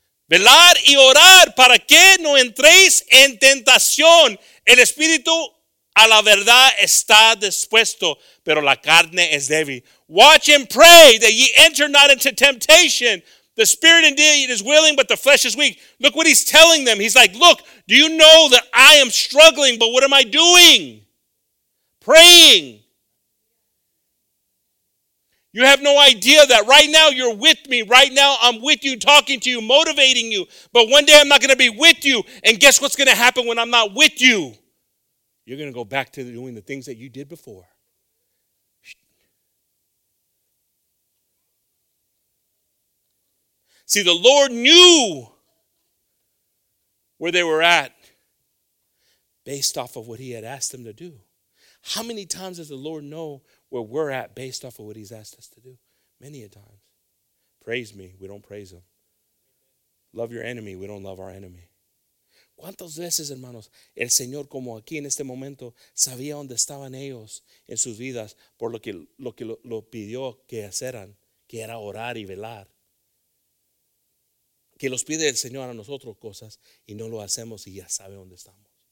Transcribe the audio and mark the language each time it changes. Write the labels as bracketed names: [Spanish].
[Spanish] Velar y orar para que no entréis en tentación. El espíritu a la verdad está dispuesto, pero la carne es débil. [English] Watch and pray that ye enter not into temptation. The spirit indeed is willing, but the flesh is weak. Look what he's telling them. He's like, look, do you know that I am struggling, but what am I doing? Praying. You have no idea that right now you're with me. Right now I'm with you, talking to you, motivating you. But one day I'm not going to be with you. And guess what's going to happen when I'm not with you? You're going to go back to doing the things that you did before. See, the Lord knew where they were at based off of what he had asked them to do. How many times does the Lord know where we're at based off of what he's asked us to do? Many a times. Praise me, we don't praise him. Love your enemy, we don't love our enemy. [Spanish] ¿Cuántas veces, hermanos, el Señor, como aquí en este momento, sabía dónde estaban ellos en sus vidas por lo que pidió que hicieran, que era orar y velar? Que los pide el Señor a nosotros cosas y no lo hacemos y ya sabe dónde estamos.